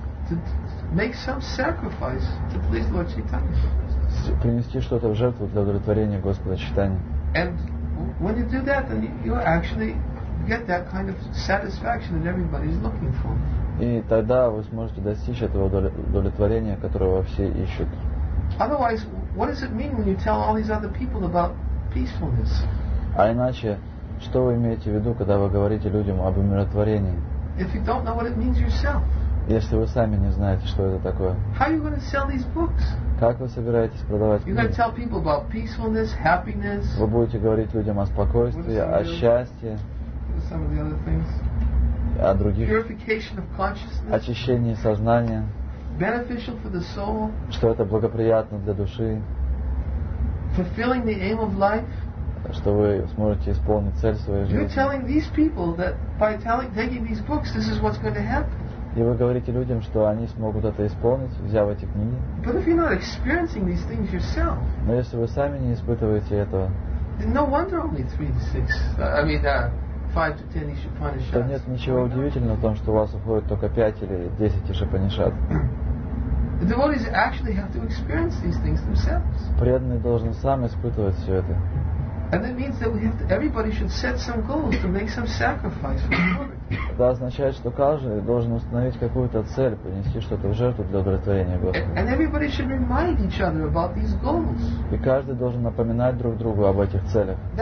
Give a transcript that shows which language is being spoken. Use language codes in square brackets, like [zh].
[en] To make some sacrifice to please Lord Chaitanya. [ru] Принести что-то в жертву для удовлетворения Господа Чайтаньи. [en] And when you do that, then you actually get that kind of satisfaction that everybody's looking for. [ru] И тогда вы сможете достичь этого удовлетворения, которого все ищут. [en] Otherwise, what does it mean when you tell all these other people about peacefulness? [ru] А иначе, что вы имеете в виду, когда вы говорите людям об умиротворении? [en] If you don't know what it means yourself. [ru] если вы сами не знаете, что это такое? [en] How are you going to sell these books? [ru] Как вы собираетесь продавать книги? [en] You're going to tell people about peacefulness, happiness. [ru] Вы будете говорить людям о спокойствии, о счастье. [en] Some of the other things. [ru] О других. [en] Purification of consciousness. [ru] Очищение сознания. [en] Beneficial for the soul. [ru] Что это благоприятно для души. [en] Fulfilling the aim of life. [ru] Что вы сможете исполнить цель своей жизни. [en] You're telling these people that by taking these books, this is what's going to happen. [ru] И вы говорите людям, что они смогут это исполнить, взяв эти книги. [en] But if you're not experiencing these things yourself. [ru] Но если вы сами не испытываете этого. [en] No wonder only 3 to 6. I mean, 5 to 10 Ишипанишад. [ru] Да нет, ничего удивительного в том, что у вас уходит только 5 или 10 Ишипанишад. [en] The devotees actually have to experience these things themselves. [ru] Преданный должен сам испытывать все это. [en] And that means that we have to, everybody should set some goals to make some sacrifice for the Lord. [ru] Это означает, что каждый должен установить какую-то цель, принести что-то в жертву для удовлетворения Господа. И каждый должен напоминать друг другу об этих целях.